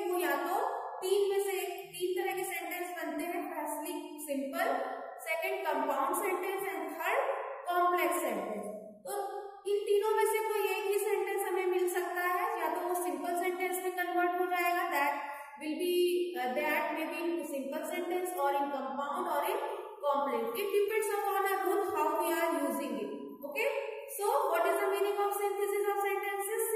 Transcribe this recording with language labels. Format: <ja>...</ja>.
<hi>वो या तो तीन में से तीन तरह के sentences बनते हैं.</hi> <en>Firstly simple, second compound sentence and third complex sentence.</en> <hi>तो इन तीनों में से कोई एक ही सेंटेंस हमें मिल सकता है, या तो वो सिंपल सेंटेंस में कन्वर्ट हो जाएगा,</hi> <en>That may be in simple sentence और in compound और in complex. It depends upon our rule how we are using it. Okay, so what is the meaning of synthesis of sentences?</en>